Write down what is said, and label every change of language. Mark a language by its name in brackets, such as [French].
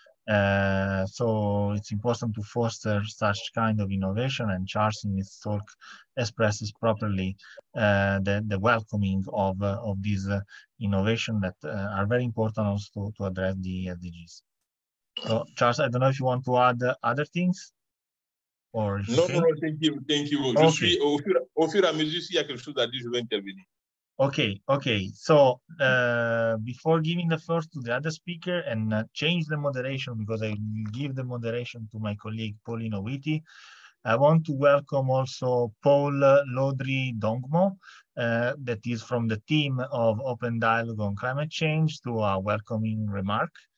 [English] So it's important to foster such kind of innovation, and Charles in his talk expresses properly the welcoming of these innovation that are very important also to address the SDGs. So Charles, I don't know if you want to add other things. Or no, thank you. Okay. [French] Je suis au fur et à mesure, s'il y a quelque chose à dire, je vais intervenir. [English] Okay. So, before giving the floor to the other speaker and change the moderation, because I will give the moderation to my colleague Paulino Witty, I want to welcome also Paul Laudry Dongmo, that is from the team of Open Dialogue on Climate Change, to a welcoming remark.